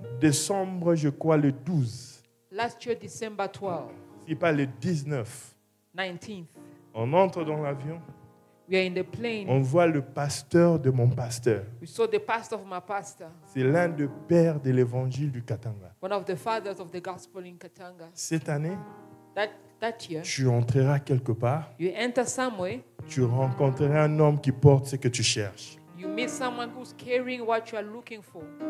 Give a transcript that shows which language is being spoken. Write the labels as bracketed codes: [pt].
[fr] Décembre, je crois, le 12. [en] Last year, December 12. [fr] Si pas le 19. [en] 19th. [fr] On entre dans l'avion. [en] We are in the plane. [fr] On voit le pasteur de mon pasteur. [en] We saw the pastor of my pastor. [fr] C'est l'un des pères de l'évangile du Katanga. [en] One of the fathers of the gospel in Katanga. [fr] Cette année. [en] That year. [fr] Tu entreras quelque part. [en] You enter somewhere. [fr] Tu rencontreras un homme qui porte ce que tu cherches. [en] You meet someone who's carrying what you are looking for.